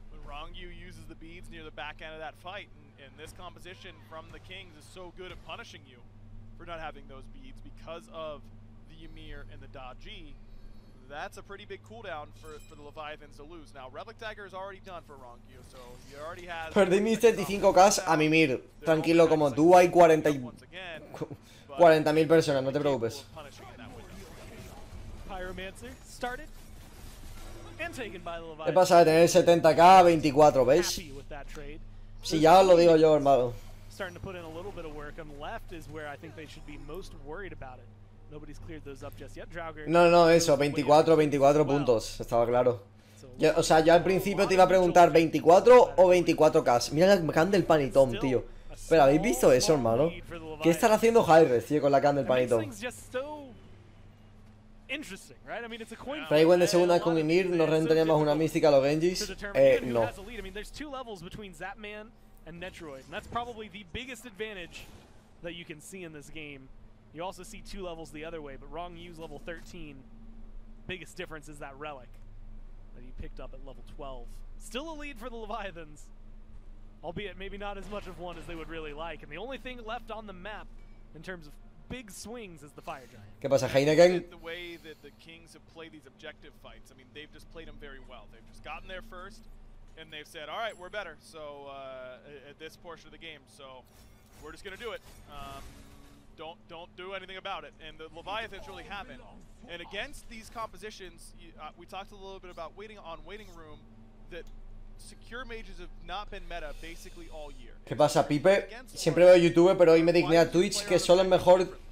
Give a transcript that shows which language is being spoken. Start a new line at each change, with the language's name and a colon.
English: Rongyu uses the beads near the back end of that fight. And this composition from the Kings is so good at punishing you for not having those beads because of the Ymir and the Dodgy. That's a pretty big cooldown for the Leviathans to lose. Now, Relic Dagger is already done for Rongyu, so he already has...
Spanish: Perdí mis 35k a Ymir. Tranquilo, como tú, hay 40.000 personas, no te preocupes.
English: Pyromancer started.
Spanish: He pasado de tener 70k a 24, ¿veis? Sí, ya os lo digo yo, hermano.
English: Starting to put in a little bit of work, and left is where I think they should be most worried about it. Nobody's cleared those up just yet. Draugr.
Spanish: No, no, eso, 24, 24 puntos, estaba claro. Yo, o sea, yo al principio te iba a preguntar 24 o 24k. Mira la candle panitón, tío. Pero ¿habéis visto eso, hermano? ¿Qué están haciendo hi-rez, tío, con la candle panitón?
English: Interesting, right? I mean, it's a coin.
Spanish: Fraywen de segunda con Ymir, nos rentaríamos una mística a los Genjis. No.
English: I mean, there's two levels between Zapman and Netruoid, and that's probably the biggest advantage that you can see in this game. You also see two levels the other way, but Rongyu's level 13. Biggest difference is that relic that he picked up at level 12. Still a lead for the Leviathans, albeit maybe not as much of one as they would really like. And the only thing left on the map in terms of big swings as the fire giant.
Spanish: ¿Qué pasa, Heineken?
English: The way that the Kings have played these objective fights, I mean, they've just played them very well. They've just gotten there first, and they've said, all right, we're better. So, at this portion of the game, so we're just going to do it. Don't do anything about it. And the Leviathans really haven't. And against these compositions, we talked a little bit about waiting on waiting room, that secure mages have not been meta basically all year.
Spanish: ¿Qué pasa, Pipe? Siempre veo YouTube, pero hoy me digné a Twitch, que solo es mejor